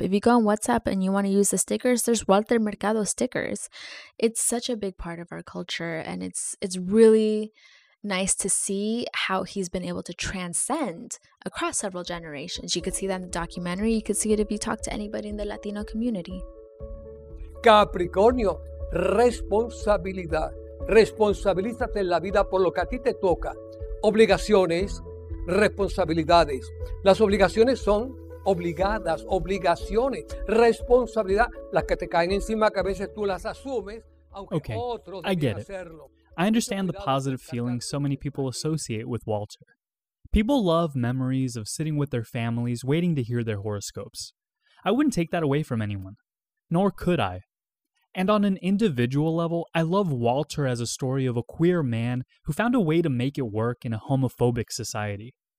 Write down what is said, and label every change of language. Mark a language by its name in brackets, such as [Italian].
[English] If you go on WhatsApp and you want to use the stickers, there's Walter Mercado stickers. It's such a big part of our culture, and it's really nice to see how he's been able to transcend across several generations. You could see that in the documentary. You could see it if you talk to anybody in the Latino community. [Spanish] Capricornio, responsabilidad. Responsabilízate en la vida por lo que a ti te toca. Obligaciones, responsabilidades. Las obligaciones son obligadas, obligaciones. Responsabilidad, las que te caen encima que a veces tú las asumes, aunque [English] okay, [Spanish] otros deben hacerlo. [English] I understand the positive feelings so many people associate with Walter. People love memories of sitting with their families waiting to hear their horoscopes. I wouldn't take that away from anyone, nor could I. And on an individual level, I love Walter as a story of a queer man who found a way to make it work in a homophobic society.